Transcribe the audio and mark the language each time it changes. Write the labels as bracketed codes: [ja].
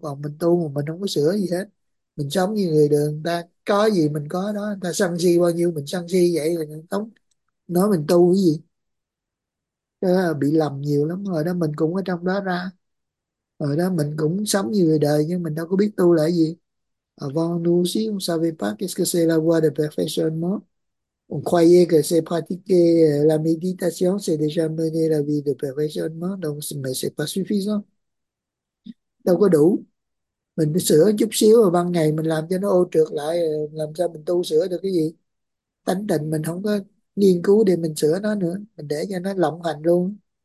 [vi] Còn mình tu mà mình không có sửa gì hết, mình sống như người đời, người ta có gì mình có đó, người ta sân si bao nhiêu mình sân si vậy, là người ta nói mình tu cái gì, đó là bị lầm nhiều lắm rồi đó. Mình cũng ở trong đó ra rồi đó, mình cũng sống như người đời nhưng mình đâu có biết tu là gì. [fr] Avant nous aussi, on savait pas qu'est-ce que c'est la voie de perfectionnement. On croyait que c'est pratiquer la méditation, c'est déjà mener la vie de perfectionnement, donc, mais c'est pas suffisant. [vi] Đâu có đủ. Mình sửa chút xíu và ban ngày mình làm cho nó ô trượt lại, làm sao mình tu sửa được cái gì? Tánh định mình không có nghiên cứu để mình sửa nó nữa, mình để cho nó lộng hành luôn.